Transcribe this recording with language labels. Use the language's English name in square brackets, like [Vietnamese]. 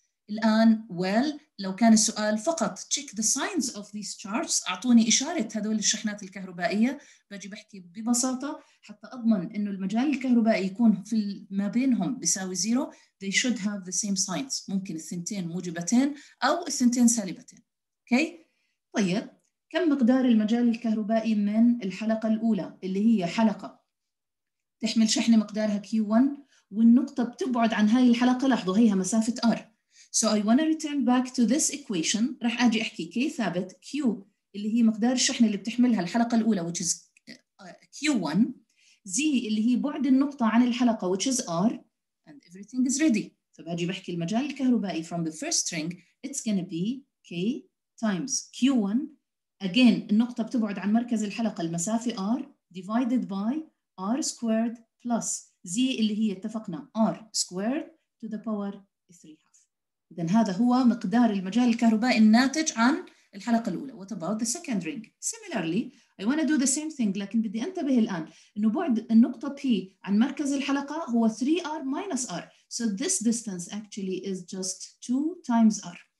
[Arabic] الآن well لو كان السؤال فقط [English] check the signs of these charges [Arabic] أعطوني إشارة هذول الشحنات الكهربائية، بجي بحكي ببساطة حتى أضمن إنه المجال الكهربائي يكون في ما بينهم بيساوي zero [English] they should have the same signs، [Arabic] ممكن الثنتين موجبتين أو الثنتين سالبتين. okay طيب كم مقدار المجال الكهربائي من الحلقة الأولى اللي هي حلقة تحمل شحنة مقدارها Q1 والنقطة بتبعد عن هاي الحلقة، لاحظوا هيها مسافة R. [English] So I want to return back to this equation. [Arabic] رح أجي أحكي K ثابت Q اللي هي مقدار الشحنة اللي بتحملها الحلقة الأولى [English] which is Q1 [Arabic] Z اللي هي بعد النقطة عن الحلقة [English] which is R and everything is ready. [Arabic] فباجي بحكي المجال الكهربائي [English] from the first ring it's gonna be K times Q1 again [Arabic] النقطة بتبعد عن مركز الحلقة المسافة R [English] divided by R squared plus Z اللي هي اتفقنا R squared to the power 3. [Arabic] إذن هذا هو مقدار المجال الكهربائي الناتج عن الحلقة الأولى. [English] What about the second ring? Similarly, I want to do the same thing. [Arabic] لكن بدي أنتبه الآن إنه بعد النقطة P عن مركز الحلقة هو [English] 3R minus R. So this distance actually is just 2 times R.